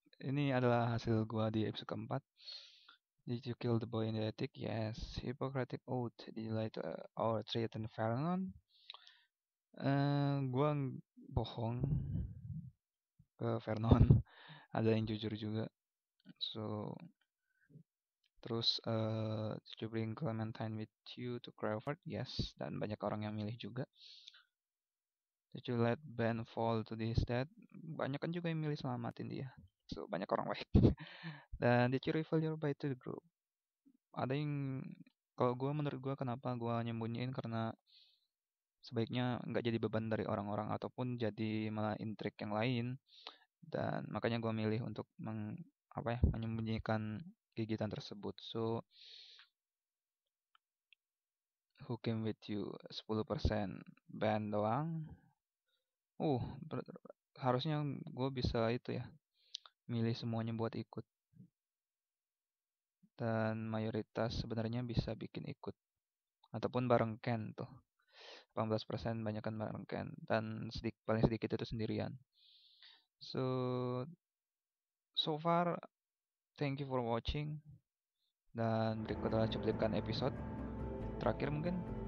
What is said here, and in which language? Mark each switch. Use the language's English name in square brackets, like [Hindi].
[Indonesian] Ini adalah hasil gua di episode keempat. [English] Did you kill the boy in the attic? Yes. Hippocratic oath. Did you lie to or threaten Fernon? [Indonesian] Gua bohong ke Fernon. Ada yang jujur juga. [English] So, [Indonesian] terus, [English] did you bring Clementine with you to Crawford? Yes, [Indonesian] dan banyak orang yang milih juga. [English] Did you let Ben fall to his death? [Indonesian] Banyak kan juga yang milih selamatin dia. So, banyak orang baik. Dan, [English] did you reveal your bite to the group? [Indonesian] Ada yang, kalau gue menurut gue kenapa gue nyembunyiin, karena sebaiknya nggak jadi beban dari orang-orang, ataupun jadi malah intrik yang lain. Dan, makanya gue milih untuk menyembunyikan gigitan tersebut. [English] So, who came with you? [Indonesian] 10% Ben doang. Harusnya gue bisa itu ya, milih semuanya buat ikut. Dan mayoritas sebenarnya bisa bikin ikut. Ataupun bareng Ken tuh. 18% banyakkan bareng Ken. Dan paling sedikit itu sendirian. [English] So far, thank you for watching. [Indonesian] Dan berikut adalah cuplikan episode terakhir mungkin.